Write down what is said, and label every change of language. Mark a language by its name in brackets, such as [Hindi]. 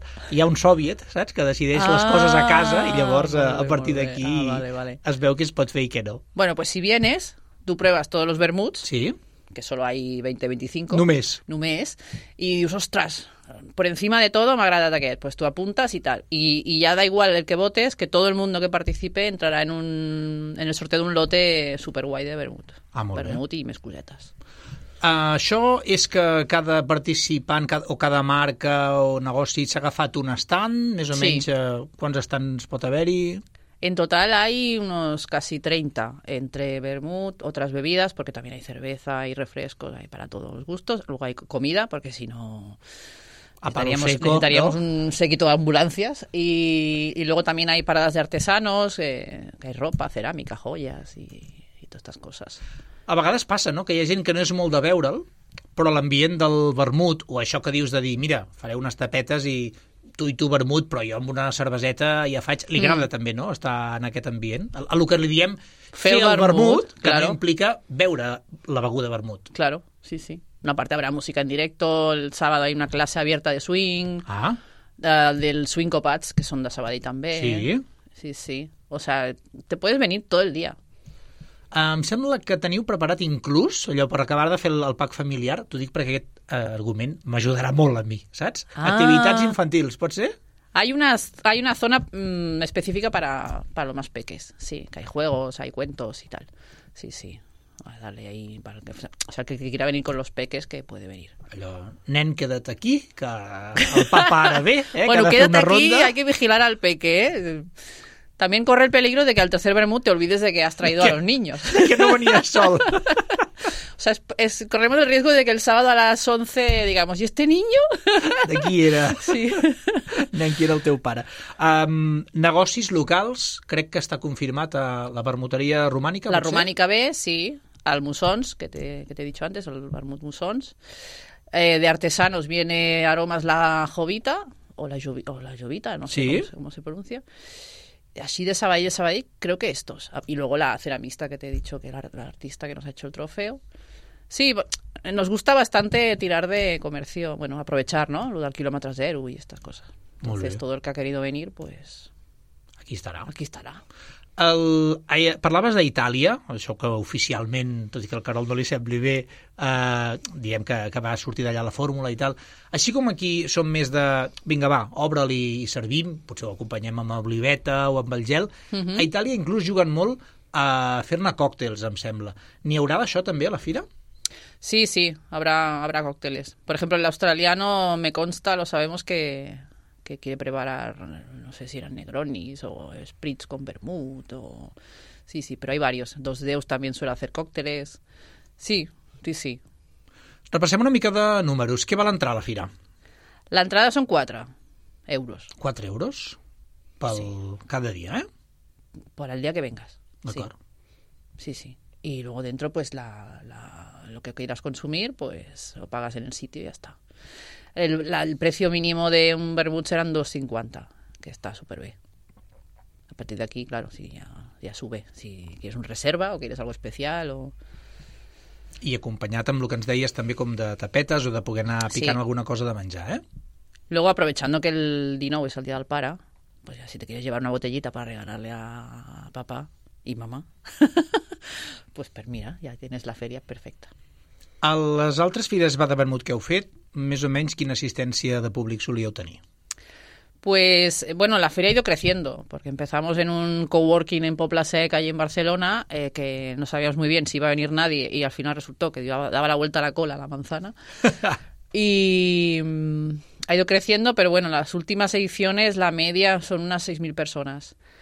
[Catalan] Hi ha un soviet, saps, que decideix les coses a casa i llavors a partir d'aquí es veu que es pot fer i que no. [Spanish] Bueno, pues si vienes, tú pruebas todos los vermuts, sí, que solo hay 20-25. [Catalan] Només. [Spanish] Y dius, ostras, por encima de todo me agrada aquest. Pues tú apuntas y tal. Y ya da igual el que votes, que todo el mundo que participe entrará en el sorteo de un lote superguay de vermut. [Catalan] Ah, molt bé. Vermut i més culletes. Això és que cada participant o cada marca o negoci s'ha agafat un stand, més o menys, sí. Quants stands pot haver-hi? [Spanish] En total hay unos casi 30, entre vermut, otras bebidas, porque también hay cerveza, hay refrescos, hay para todos los gustos. Luego hay comida, porque si no necesitaríamos un séquito de ambulancias. Y luego también hay paradas de artesanos, hay ropa, cerámica, joyas y todas estas cosas. [Catalan] A vegades passa, no?, que hi ha gent que no és molt de veure'l, però l'ambient del vermut, o això que dius de dir, mira, faré unes tapetes i tu vermut, però jo amb una cerveseta ja faig, li agrada també, no?, estar en aquest ambient. [Spanish] A lo que [Catalan] li diem fer el vermut, que [Spanish] claro. [Catalan] No implica veure la beguda vermut. [Spanish] Claro, sí, sí. No, a part, habrá música en directo, el sábado hay una classe abierta de swing, del swingopats, [Catalan] que són de Sabadell també. [Spanish] Sí. Sí, sí. O sea, te puedes venir todo el día. [Catalan] Em sembla que teniu preparat inclús allò per acabar de fer el pack familiar. T'ho dic perquè aquest argument m'ajudarà molt a mi, saps? Ah. Activitats infantils, pot ser? [Spanish] Hay una zona específica para los más peques, sí. Que hay juegos, hay cuentos y tal. Sí, sí. Vale, dale ahí. O sea, que quiera venir con los peques, que puede venir. [Catalan] Allò, nen, queda't aquí, que el papa ara ve, que bueno, queda't aquí, ronda. [Spanish] Hay que vigilar al peque, También corre el peligro de que al tercer vermut te olvides de que has traído a los niños. Que no venías sol. O sea, corremos el riesgo de que el sábado a las 11, digamos, ¿y este niño? [Catalan] De qui era? Sí. Nen, qui era el teu pare. Negocis locals, crec que està confirmat a la vermuteria romànica. [Spanish] La romànica B, sí. Al Musons, que te he dicho antes, el vermut Musons. De artesanos viene Aromas la Jovita, o la Jovita, no sé, sí. cómo se pronuncia. Así de Sabadell a Sabadell, creo que estos. Y luego la ceramista que te he dicho, que era la artista que nos ha hecho el trofeo. Sí, nos gusta bastante tirar de comercio, bueno, aprovechar, ¿no? Lo del kilómetro cero y estas cosas. Entonces, todo el que ha querido venir, pues... Aquí estará. [Catalan] Parlaves d'Itàlia, això que oficialment, tot i que el Carol no li sembli bé, diem que va sortir d'allà la fórmula i tal. Així com aquí som més de, vinga, va, obre-li i servim, potser ho acompanyem amb oliveta o amb el gel, uh-huh. A Itàlia inclús juguen molt a fer-ne còctels, em sembla. N'hi haurà d'això també a la fira? [Spanish] Sí, sí, habrá còctels. Por ejemplo, el australiano me consta, lo sabemos que quiere preparar, no sé si eran Negronis o Spritz con vermut o... Sí, sí, pero hay varios. Dos Deus también suele hacer cócteles. Sí, sí, sí. [Catalan] Repassem una mica de números. Què val entrar a la fira? L'entrada són 4 euros. 4 euros? Pel... Sí. Cada dia, eh? [Spanish] Por el día que vengas. [Catalan] D'acord. Sí. Sí, sí. [Spanish] Y luego dentro, pues, lo que quieras consumir, pues, lo pagas en el sitio y ya está. El precio mínimo de un vermut serán 2,50, que está súper bien. A partir de aquí, claro, sí, ya sube. Si quieres un reserva o quieres algo especial o... [Catalan] I acompanyat amb el que ens deies també com de tapetes o de poder anar picant alguna cosa de menjar, eh? [Spanish] Luego, aprovechando que el 19 es el día del para, pues ya si te quieres llevar una botellita para regalarle a papá y mamá, pues mira, ya tienes la feria perfecta. [Catalan] A les altres fires va de vermut que heu fet, més o menys quina assistència de públic solíeu tenir? [Spanish] Pues bueno, la feria ha ido creciendo, porque empezamos en un coworking en Poblasec, allí en Barcelona, que no sabíamos muy bien si iba a venir nadie, y al final resultó que daba la vuelta a la cola, a la manzana. Y ha ido creciendo, pero bueno, las últimas ediciones, la media son unas 6.000 personas.